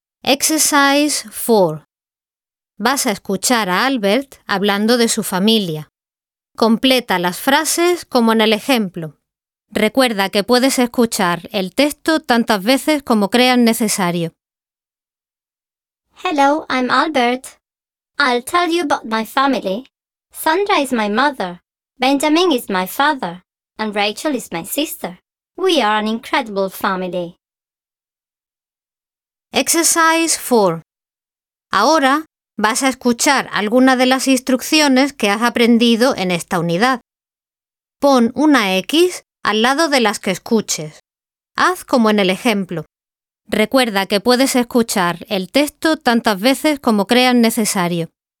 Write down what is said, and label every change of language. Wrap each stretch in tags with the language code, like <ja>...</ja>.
<en>Exercise 4.</en> <es>Vas a escuchar a Albert hablando de su familia. Completa las frases como en el ejemplo. Recuerda que puedes escuchar el texto tantas veces como creas necesario.</es> <en>Hello, I'm Albert. I'll tell you about my family. Sandra is my mother, Benjamin is my father, and Rachel is my sister. We are an incredible family. Exercise 4.</en> <es>Ahora vas a escuchar algunas de las instrucciones que has aprendido en esta unidad. Pon una X al lado de las que escuches. Haz como en el ejemplo. Recuerda que puedes escuchar el texto tantas veces como creas necesario.</es>